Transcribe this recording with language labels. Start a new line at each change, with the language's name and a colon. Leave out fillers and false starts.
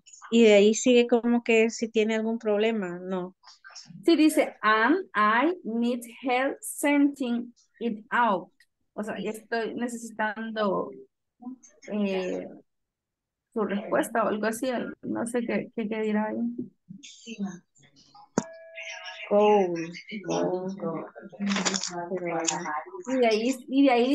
Spanish: Y de ahí sigue como que si tiene algún problema, no. Sí, dice,
English: and I need help sending it out.
Spanish: O sea, estoy necesitando su respuesta o algo así. No sé qué dirá ahí. Y de ahí